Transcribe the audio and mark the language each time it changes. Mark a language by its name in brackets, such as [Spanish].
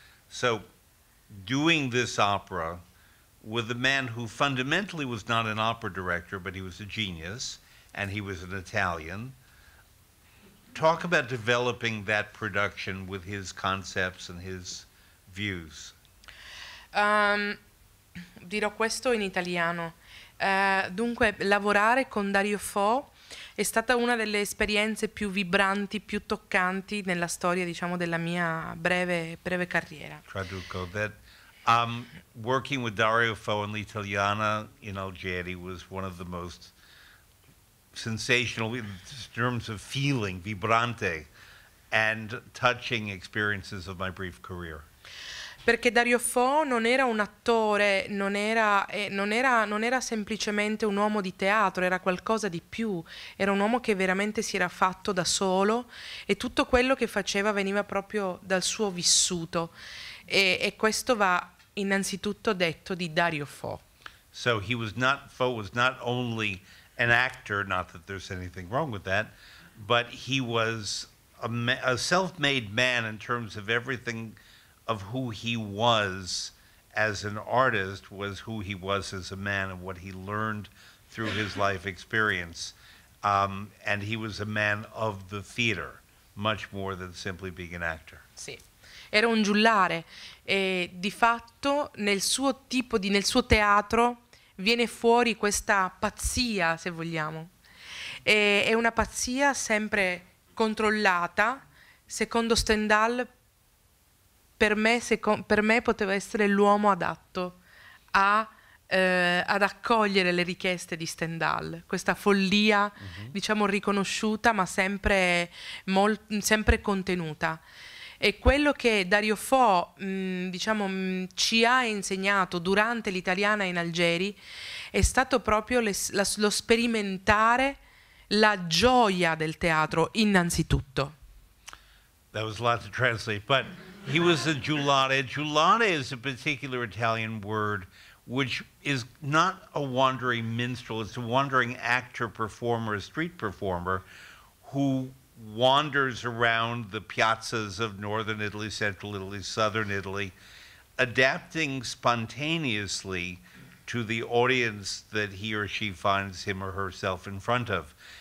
[English] So doing this opera with a man who fundamentally was not an opera director, but he was a genius, and he was an Italian, talk about developing that production with his concepts and his views. [Italian] Dirò questo in italiano. Dunque, lavorare con Dario Fo è stata una delle esperienze più vibranti, più toccanti nella storia, diciamo, della mia breve carriera. Traduco. [English] That working with Dario Fo in L'Italiana in Algeri was one of the most sensational, in terms of feeling, vibrante and touching experiences of my brief career. [Italian] Perché Dario Fo non era un attore, non era semplicemente un uomo di teatro, era qualcosa di più, era un uomo che veramente si era fatto da solo e tutto quello che faceva veniva proprio dal suo vissuto. E questo va innanzitutto detto di Dario Fo. [English] So he was not, Fo was not only an actor, not that there's anything wrong with that, but he was a self-made man in terms of everything of who he was as an artist was who he was as a man and what he learned through his life experience. And he was a man of the theater, much more than simply being an actor. [Italian] Sì. Era un giullare e di fatto nel suo tipo di, nel suo teatro viene fuori questa pazzia, se vogliamo. E è una pazzia sempre controllata, secondo Stendhal, per me poteva essere l'uomo adatto a, ad accogliere le richieste di Stendhal, questa follia, mm-hmm. diciamo, riconosciuta, ma sempre, sempre contenuta. E quello che Dario Fo ci ha insegnato durante l'Italiana in Algeri è stato proprio lo sperimentare la gioia del teatro innanzitutto. [English] That was a lot to translate, but he was a giullare. Giullare is a particular Italian word which is not a wandering minstrel, it's a wandering actor, performer, street performer who wanders around the piazzas of northern Italy, central Italy, southern Italy, adapting spontaneously to the audience that he or she finds him or herself in front of.